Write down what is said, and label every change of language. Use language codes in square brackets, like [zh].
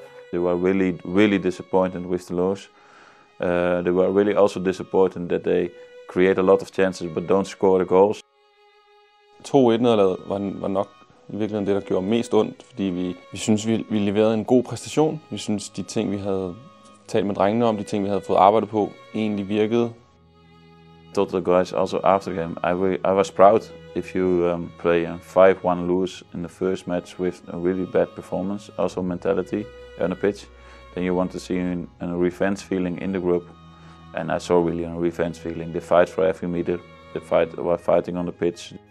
[en] They were really, really disappointed with the loss. They were really also disappointed that they create a lot of chances but don't score the goals. [da] 2-1-nederlaget var nok i virkeligheden det, der gjorde mest ondt, fordi vi synes, vi leverede en god præstation. Vi synes, de ting, vi havde talt med drengene om, de ting, vi havde fået arbejdet på, egentlig virkede. [en] I told the guys also after game, I was proud if you play a 5-1 lose in the first match with a really bad performance, also mentality on the pitch, then you want to see a revenge feeling in the group. And I saw really a revenge feeling. They fight for every meter, they fight while fighting on the pitch.